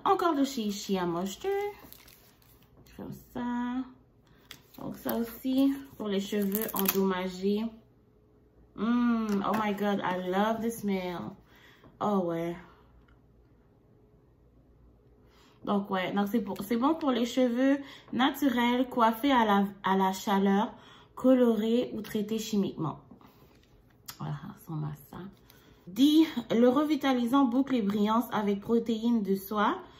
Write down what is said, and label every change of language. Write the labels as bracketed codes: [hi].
[fr] Encore de chez Shea Moisture. Comme ça. Donc, ça aussi, pour les cheveux endommagés. [en] Oh my God, I love this smell. [fr] Oh, ouais. Donc, ouais, donc c'est bon pour les cheveux naturels, coiffés à la chaleur, colorés ou traités chimiquement. Voilà, ça ressemble à ça. Dit, le revitalisant boucle et brillance avec protéines de soie.